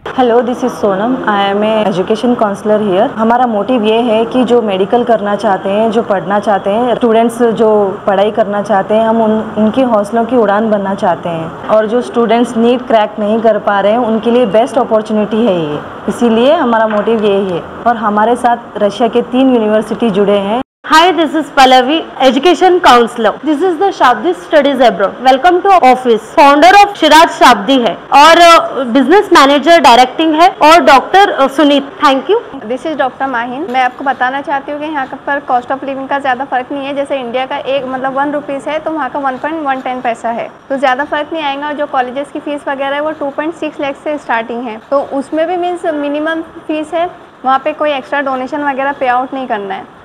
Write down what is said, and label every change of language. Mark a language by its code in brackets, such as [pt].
[en] Hello, this is Sonam, I am a education counsellor here. [hi] हमारा motive ये है कि जो मेडिकल करना चाहते हैं, जो पढ़ना चाहते हैं, स्टूडेंट्स जो पढ़ाई करना चाहते हैं, हम उनके हौसलों की उड़ान बनना चाहते हैं। और जो स्टूडेंट्स नीट क्रैक नहीं कर पा रहे हैं उनके लिए बेस्ट अपॉर्चुनिटी है ये, इसीलिए हमारा मोटिव ये है। और हमारे साथ रशिया के 3 यूनिवर्सिटी जुड़े हैं। [en] Hi, this is Pallavi, Education Counselor. This is the Shabdi Studies Abroad. Welcome to office. Founder of Shiraj Shabdi है और Business Manager Directing है और Dr. Sunit. Thank you. This is Dr. Mahin. [hi] मैं आपको बताना चाहती हूँ कि यहाँ पर cost of living का ज़्यादा फर्क नहीं है। जैसे इंडिया का 1 रुपीज है तो वहाँ का 1.10 पैसा है, तो ज़्यादा फर्क नहीं आएगा। और जो कॉलेजेस की फीस वगैरह है वो 2.6 लाख से स्टार्टिंग है, तो उसमें भी मीन्स मिनिमम फीस है, वहाँ पर कोई एक्स्ट्रा डोनेशन वगैरह पे आउट नहीं करना है।